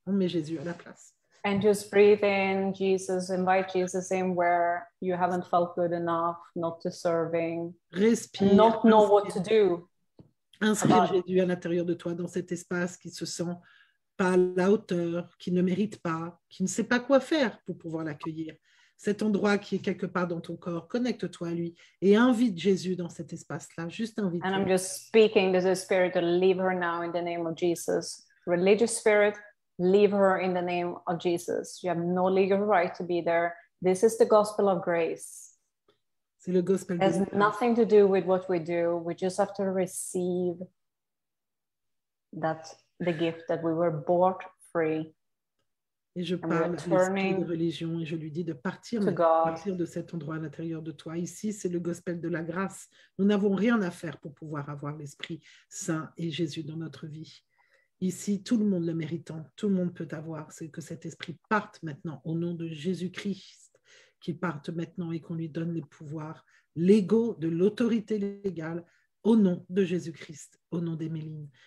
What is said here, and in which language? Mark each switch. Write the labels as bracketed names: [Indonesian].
[French] On met Jésus à la place. [English] And just breathe in, Jesus, invite Jesus in where you haven't felt good enough, not deserving, [French] respire, [English] not know inspire. What to do. [French] Inspire Jésus à l'intérieur de toi dans cet espace qui se sent pas à la hauteur, qui ne mérite pas, qui ne sait pas quoi faire pour pouvoir l'accueillir. Cet endroit qui est quelque part dans ton corps, connecte-toi à lui et invite Jésus dans cet espace-là, juste invite-le. [English] And I'm just speaking to the spirit to leave her now in the name of Jesus, religious spirit. Leave her in the name of Jesus. You have no legal right to be there. This is the gospel of grace. [French] C'est le gospel de grâce. [English] It has nothing to do with what we do. We just have to receive that the gift that we were bought free. [French] Et je parle à l'esprit de religion et je lui dis de partir, partir de cet endroit à l'intérieur de toi. Ici, c'est le gospel de la grâce. Nous n'avons rien à faire pour pouvoir avoir l'Esprit Saint et Jésus dans notre vie. Ici, tout le monde le méritant, tout le monde peut avoir, c'est que cet esprit parte maintenant au nom de Jésus-Christ, qu'il parte maintenant et qu'on lui donne les pouvoirs légaux de l'autorité légale au nom de Jésus-Christ, au nom d'Emeline.